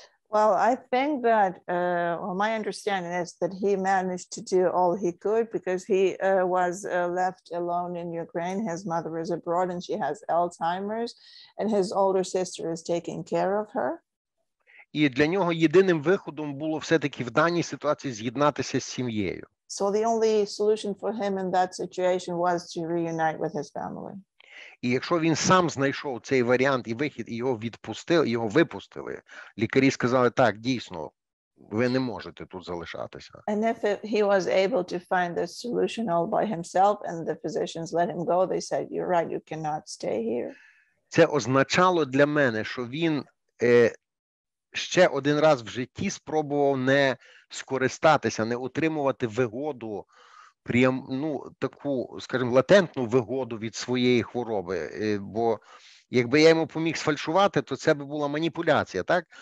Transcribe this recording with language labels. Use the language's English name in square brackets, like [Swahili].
[English] Well, I think that my understanding is that he managed to do all he could because he was left alone in Ukraine. His mother is abroad and she has Alzheimer's and his older sister is taking care of her. [Ukrainian] І для нього єдиним виходом було все-таки в даній ситуації з'єднатися з сім'єю. [English] So the only solution for him in that situation was to reunite with his family. [Ukrainian] І якщо він сам знайшов цей варіант і вихід, і його випустили, лікарі сказали, так, дійсно, ви не можете тут залишатися. [English] And if he was able to find this solution all by himself and the physicians let him go, they said, you're right, you cannot stay here. [Ukrainian] Це означало для мене, що він ще один раз в житті спробував не скористатися, не отримувати вигоду, таку, скажімо, латентну вигоду від своєї хвороби, бо якби я йому поміг сфальшувати, то це би була маніпуляція, так?